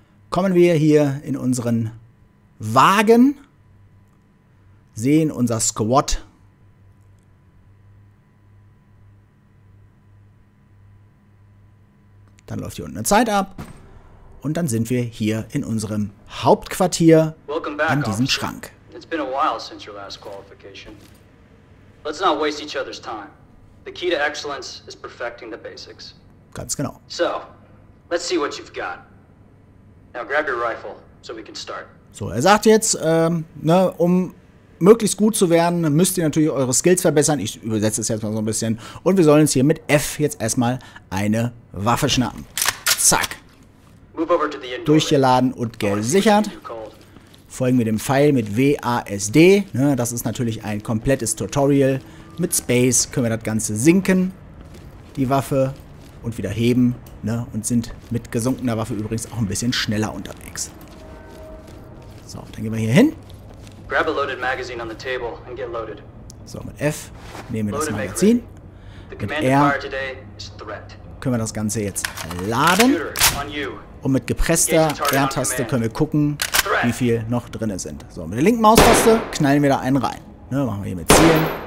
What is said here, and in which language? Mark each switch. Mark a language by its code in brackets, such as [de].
[de] Kommen wir hier in unseren Wagen, sehen unser Squad. Dann läuft hier unten eine Zeit ab und dann sind wir hier in unserem Hauptquartier an diesem Schrank. [en] It's been a while since your last qualification. Let's not waste each other's time. The key to excellence is perfecting the basics. [de] Ganz genau. [en] So, let's see what you've got. Now grab your rifle so we can start. [de] So, er sagt jetzt, um möglichst gut zu werden, müsst ihr natürlich eure Skills verbessern. Ich übersetze es jetzt mal so ein bisschen. Und wir sollen uns hier mit F jetzt erstmal eine Waffe schnappen. Zack. Durchgeladen und gesichert. Folgen wir dem Pfeil mit WASD. Ne, das ist natürlich ein komplettes Tutorial. Mit Space können wir das Ganze sinken, die Waffe, und wieder heben. Ne, und sind mit gesunkener Waffe übrigens auch ein bisschen schneller unterwegs. So, dann gehen wir hier hin. [en] Grab a loaded magazine on the table and get loaded. [de] So, mit F nehmen wir das Magazin. Mit R können wir das Ganze jetzt laden. Und mit gepresster R-Taste können wir gucken, wie viel noch drin sind. So, mit der linken Maustaste knallen wir da einen rein. Ne, machen wir hier mit Zielen.